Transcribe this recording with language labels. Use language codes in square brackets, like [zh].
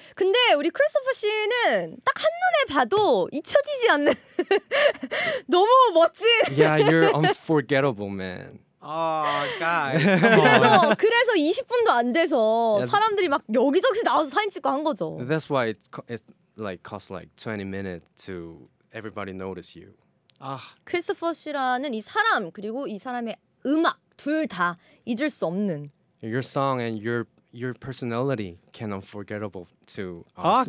[ko] 근데 우리 크리스토퍼 씨는 딱 한눈에 봐도 잊혀지지 않는 너무 멋진 [en] Yeah, you're unforgettable, man. Oh, guys. [ko] 그래서 20분도 안 돼서 yeah, 사람들이 막 여기저기서 나와서 사진 찍고 한 거죠. [en] That's why it like cost like 20 minutes to everybody notice you. [ko] 아, 크리스토퍼 씨라는 이 사람 그리고 이 사람의 음악 둘 다 잊을 수 없는. [en] Your song and your personality can unforgettable to us.